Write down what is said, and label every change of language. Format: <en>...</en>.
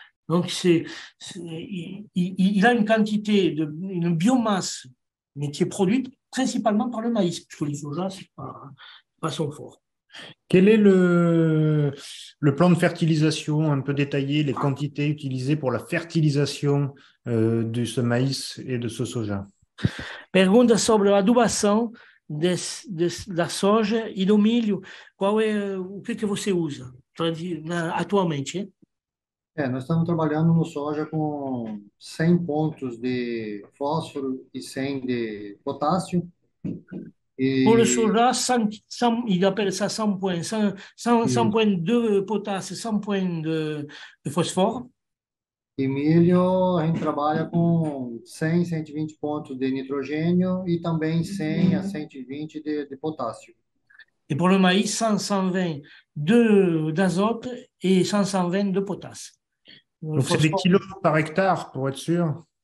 <fr>Donc, il a une quantité, une biomasse, mais qui est produite principalement par le maïs, parce que le soja, ce n'est pas son fort. Quel est le plan de fertilisation un peu détaillé, les quantités utilisées pour la fertilisation de ce maïs et de ce soja?</fr> <pt>Pergunta sobre l'adubação. Da soja e do milho, o que você usa atualmente, hein? Nós estamos trabalhando no soja com 100 pontos de fósforo e 100 de potássio.</pt> <fr>Pour le soja, 100, il appelle ça 100 points, 100 points de potasse, 100 points de phosphore.</fr> <pt>E milho, a gente trabalha com 100, 120 pontos de nitrogênio e também 100 a 120 de potássio.</pt> <fr>Et pour le maïs, 100-120 d'azote et 100-120 de potasse. Le Donc, c'est des phosphore. kilos par hectare, pour être sûr.</fr>